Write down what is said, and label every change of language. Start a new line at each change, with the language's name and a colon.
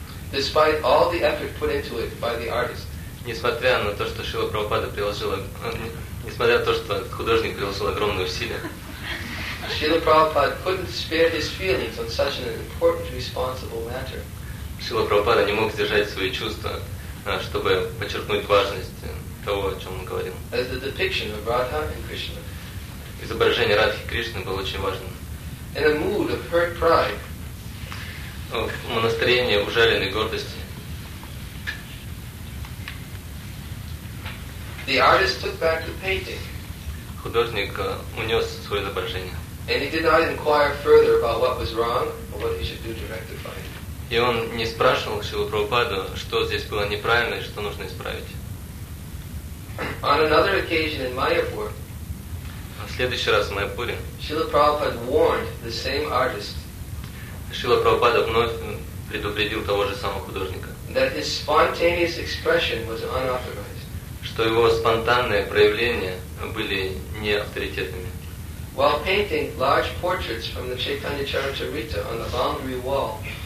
English: Despite all the effort put into it by the artist.
Russian: Несмотря на то, что Шрила Прабхупада приложил, несмотря на то, что художник приложил огромные усилия,
English: Шрила Прабхупада couldn't spare his feelings on such an important, responsible matter.
Russian: Шрила Прабхупада не мог сдержать свои чувства, чтобы подчеркнуть важность того, о чем он говорил.
English: As the depiction of Radha and Krishna.
Russian: Изображение Радхи и Кришны было очень важным.
English: In a mood of hurt pride.
Russian: В настроении ужаленной гордости.
English: The artist took back the painting.
Russian: Художник унес свое изображение.
English: And he did not inquire further about what was wrong or what he should do to rectify it.
Russian: И он не спрашивал Шрилу Прабхупаду, что здесь было неправильно и что нужно исправить.
English: On another occasion in Mayapur,
Russian: в следующий раз в Майяпуре
English: Шрила Прабхупада warned the same artist.
Russian: Шрила Прабхупада вновь предупредил того же самого художника,
English: that his spontaneous expression was unauthorized.
Russian: Что его спонтанные проявления были не авторитетными.
English: While painting large portraits from the Chaitanya Charitamrita on the boundary wall.